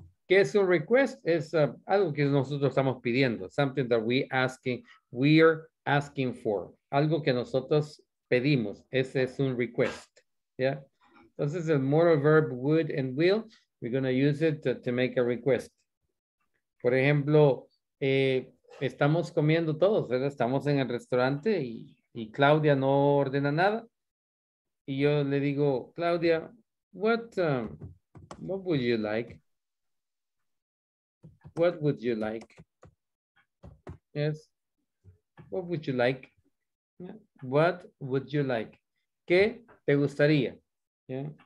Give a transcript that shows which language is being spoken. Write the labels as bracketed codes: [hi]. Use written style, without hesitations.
[es] ¿Qué es un request? Es algo que nosotros estamos pidiendo. [en] Something that we asking, we're asking for. [es] Algo que nosotros pedimos. Ese es un request. Yeah. Entonces, el [en] modal verb would and will, we're going to use it to make a request. [es] Por ejemplo, estamos comiendo todos, ¿verdad? Estamos en el restaurante y Claudia no ordena nada. Y yo le digo, Claudia, [en] what would you like? What would you like? Yes. What would you like? Yeah. What would you like? [es] ¿Qué te gustaría? [en] Yeah.